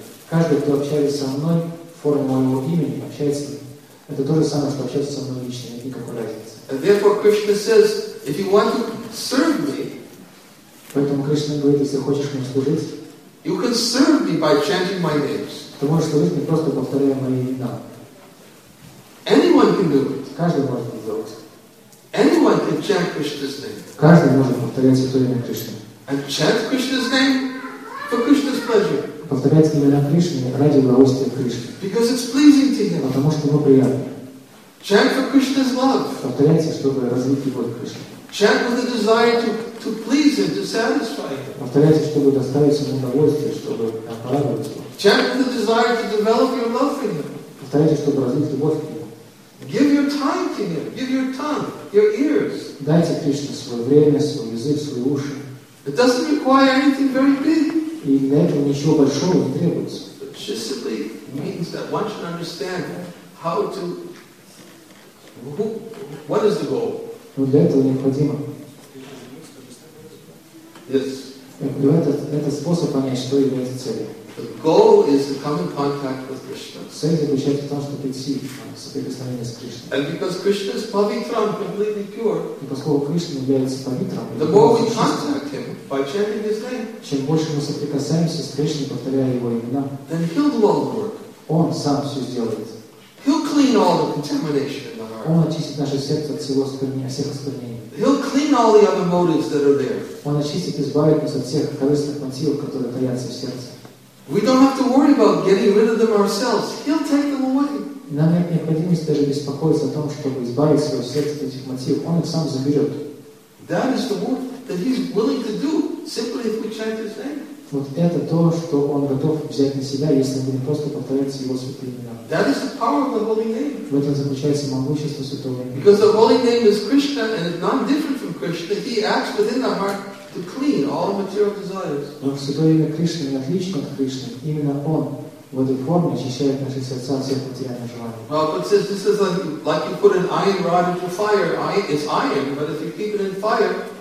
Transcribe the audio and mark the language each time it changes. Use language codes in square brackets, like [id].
[ru] Каждый, кто общается со мной, форма моего имени, общается, это то же самое, что общаться со мной лично, нет никакой разницы. [en] And therefore Krishna says, if you want to serve me, [ru] поэтому Кришна говорит, если хочешь мне служить, [en] you can serve me by chanting my names. [ru] Ты можешь служить мне просто повторяя мои имена. [en] Anyone can do it. [ru] Каждый может это сделать. [en] Anyone can chant Krishna's name. [ru] Каждый может повторять святое имя Кришны. [en] And chant Krishna's name for Krishna's pleasure. [ru] Повторять имена Кришны ради удовольствия Кришны. [en] Because it's pleasing to him. [ru] Потому что ему приятно. [en] Chant for Krishna's love. [ru] Повторяйте, чтобы развить любовь к Кришне. [en] Chant with a desire to please him, to satisfy him. [ru] Повторяйте, чтобы доставить ему удовольствие, чтобы порадовать его. [en] Chant with a desire to develop your love for him. [ru] Повторяйте, чтобы развить любовь к нему. [en] Give your time to him. Give your tongue, your ears. [ru] Дайте Кришне свое время, свой язык, свои уши. [en] It doesn't require anything very big. [ru] И для этого ничего большого не требуется. [en] Means that one should understand how to, who, what is the goal? [ru] Но для этого необходимо. [en] Yes. [ru] Это способ понять, что является целью. [en] The goal is to come in contact with Krishna. [ru] Цель заключается в том, чтобы прийти в соприкосновение с Кришной. [en] And because Krishna is pavitram, completely pure. [ru] И поскольку Кришна является pavitram, [en] the more we contact him by chanting his name. [ru] Чем больше мы соприкасаемся с Кришной, повторяя его имена. [en] Then he'll do all the work. [ru] Он сам все сделает. [en] He'll clean all the contamination in the heart. [ru] Он очистит наше сердце от всего осквернения, всех осквернений. [en] He'll clean all the other motives that are there. [ru] Он очистит и избавит нас от всех корыстных мотивов, которые таятся в сердце. [en] We don't have to worry about getting rid of them ourselves. He'll take them away. [ru] Нам нет необходимости даже беспокоиться о том, чтобы избавить свое сердце от этих мотивов. Он их сам заберет. [en] That is the work that he's willing to do simply if we chant his name. [ru] Вот это то, что он готов взять на себя, если мы не просто повторяем его святые имена. [en] That is the power of the holy name. [ru] В этом заключается могущество святого имени. [en] Because the holy name is Krishna, and it's not different from Krishna. He acts within the heart to clean all material desires. [ru] Но святое имя Кришны не отлично от Кришны. Именно он в этой форме очищает наши сердца от всех материальных желаний. [en] Well, but since this is like you put an iron rod into fire. It's iron, but if you keep it in fire,